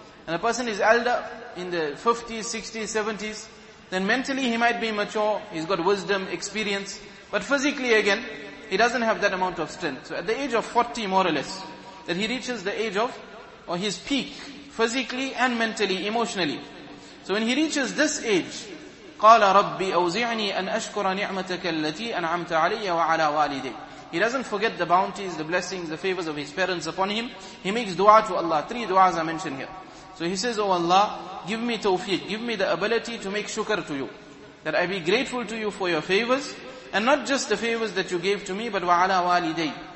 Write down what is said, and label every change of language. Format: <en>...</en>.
<en>And a person is elder, in the 50s, 60s, 70s, then mentally he might be mature, he's got wisdom, experience, but physically again, he doesn't have that amount of strength. So at the age of 40, more or less, that he reaches the age of, or his peak, physically and mentally, emotionally. So when he reaches this age,</en> <ar>قال ربي أوزعني أن أشكر نعمتك التي أنعمت علي وعلى والدي.</ar> <en>He doesn't forget the bounties, the blessings, the favors of his parents upon him. He makes dua to Allah. Three duas are mentioned here. So he says, Oh Allah, give me tawfiq, give me the ability to make shukr to you. That I be grateful to you for your favors. And not just the favors that you gave to me, but</en> <ar>wa'ala walidayy.</ar>